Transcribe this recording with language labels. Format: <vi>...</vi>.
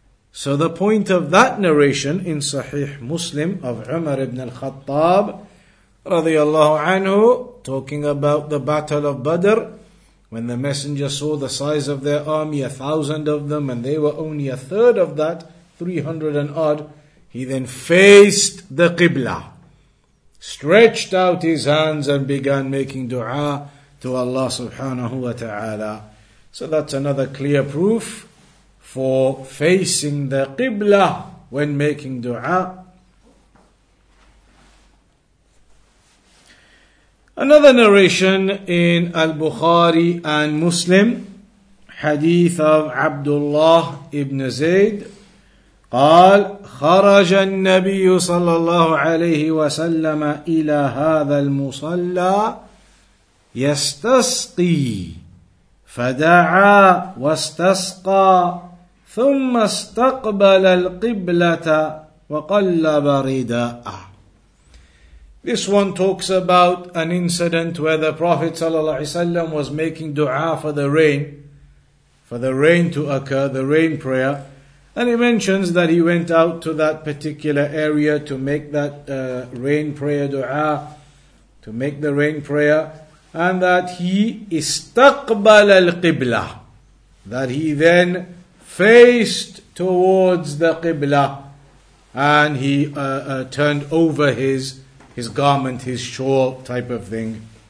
<en>So the point of that narration in Sahih Muslim of Umar ibn al-Khattab,</en> <ar>radiallahu anhu,</ar> <en>talking about the Battle of Badr, when the Messenger saw the size of their army, 1,000 of them, and they were only 1/3 of that, 300 and odd, he then faced the Qibla, stretched out his hands and began making dua to Allah</en> <ar>subhanahu wa ta'ala.</ar> <en>So that's another clear proof for facing the Qibla when making dua. Another narration in Al-Bukhari and Muslim, hadith of Abdullah ibn Zayd,</en> <ar>قال خرج النبي صلى الله عليه وسلم إلى هذا المصلى يستسقي فدعا واستسقى ثم استقبل القبلة وقلب رداءه.</ar> <en>This one talks about an incident where the Prophet ﷺ was making dua for the rain to occur, the rain prayer. And he mentions that he went out to that particular area to make that rain prayer dua, to make the rain prayer, and that he</en> <ar>istaqbal al-qibla,</ar> <en>that he then faced towards the qibla, and he turned over his garment, his shawl type of thing.</en>